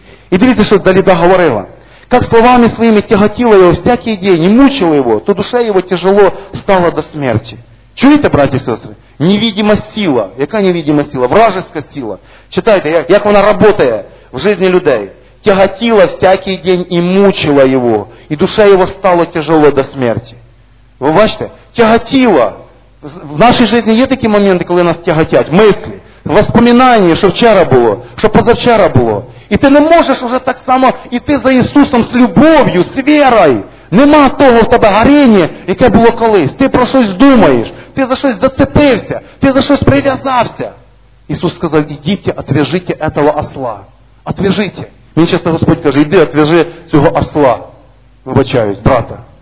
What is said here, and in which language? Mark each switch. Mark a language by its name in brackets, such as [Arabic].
[Ukrainian] І дивіться, що Давида говорила. Как словами своїми тяготіла його всякий день, мучила його, то душа його тяжело стала до смерті. Чуєте, браті і сестри? Невидима сила. Яка невидима сила? Вражеська сила. Читайте, як вона работає в житті людей. [Russian] Тяготила всякий день и мучила его, и душа его стала тяжело до смерти. Вы бачите? Тяготила. В нашей жизни есть такие моменты, когда нас тяготят? Мысли, воспоминания, что вчера было, что позавчера было. И ты не можешь уже так само идти за Иисусом с любовью, с верой. [Ukrainian] Нема того в тебе горіння, яке було колись. Ти про щось думаєш, ти за щось зацепився, ти за щось прив'язався. Ісус сказав, ідіть, [Russian] отвяжите этого осла. Отвяжите. [Ukrainian] Мені часто Господь каже, йди, отвяжи цього осла. Вибачаюсь, брата.